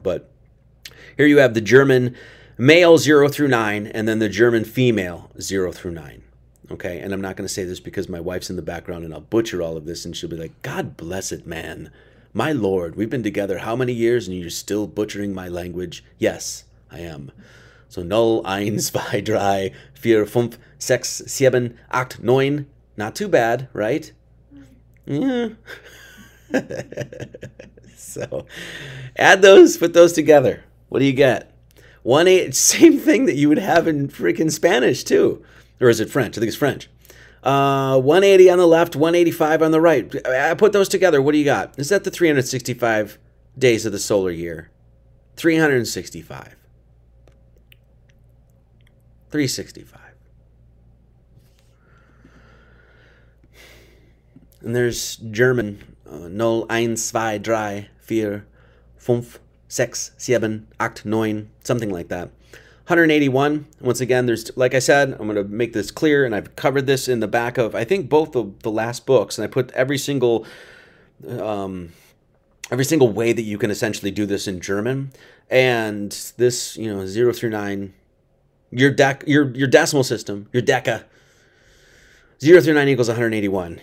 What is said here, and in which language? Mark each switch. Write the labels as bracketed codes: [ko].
[en] But here you have the German male 0 through 9, and then the German female 0 through 9. Okay, and I'm not going to say this because my wife's in the background and I'll butcher all of this and she'll be like, God bless it, man. My Lord, we've been together how many years and you're still butchering my language? Yes, I am. [de] So null, ein, zwei, drei, vier, fünf, sechs, sieben, acht, neun. [en] Not too bad, right? Yeah. So add those, put those together. What do you get? 1-8, same thing that you would have in freaking Spanish too. Or is it French? I think it's French. 180 on the left, 185 on the right. I put those together. What do you got? Is that the 365 days of the solar year? 365. 365. And there's German. [de] Null, ein, zwei, drei, vier, fünf, sechs, sieben, acht, neun. [en] Something like that. 181. Once again, there's, like I said, I'm going to make this clear, and I've covered this in the back of, I think, both of the last books, and I put every single way that you can essentially do this in German. And this, you know, 0 through 9, your decimal system, your deca, 0 through 9 equals 181.